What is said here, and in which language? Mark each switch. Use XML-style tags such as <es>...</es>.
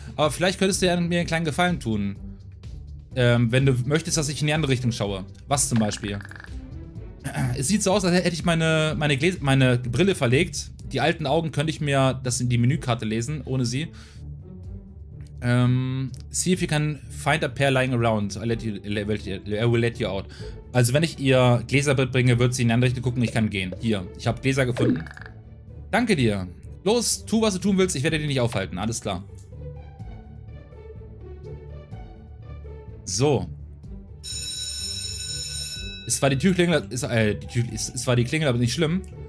<de>Aber vielleicht könntest du ja mir einen kleinen Gefallen tun. Wenn du möchtest, dass ich in die andere Richtung schaue. Was zum Beispiel? Es sieht so aus, als hätte ich meine Brille verlegt. Die alten Augen könnte ich mir das in die Menükarte lesen, ohne sie.</de> <en>See if you can find a pair lying around. I will let you out.</en> <de>Also wenn ich ihr Gläserbrett bringe, wird sie in die andere Richtung gucken, ich kann gehen. Hier, ich habe Gläser gefunden. Danke dir. Los, tu, was du tun willst, ich werde dich nicht aufhalten. Alles klar. So. Es war die Klingel, aber nicht schlimm.</de>